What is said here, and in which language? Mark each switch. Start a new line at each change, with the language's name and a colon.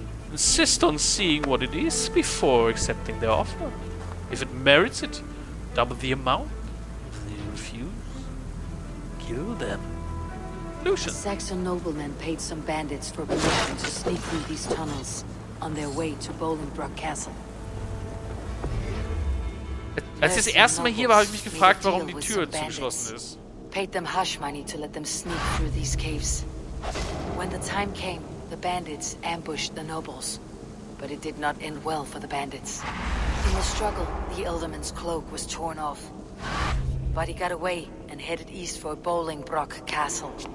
English: Insist on seeing what it is before accepting their offer. If it merits it, double the amount. If they refuse, kill them. Lucian. A Saxon nobleman paid some bandits for permission to sneak through these tunnels on their way to Bolingbrok Castle.
German: Als ich das erste Mal hier war, habe ich mich gefragt, warum die Tür zugeschlossen ist.
English: Paid them hush money to let them sneak through these caves. When the time came, the bandits ambushed the nobles, but it did not end well for the bandits. In the struggle, the elderman's cloak was torn off, but he got away and headed east for Bolingbrok Castle.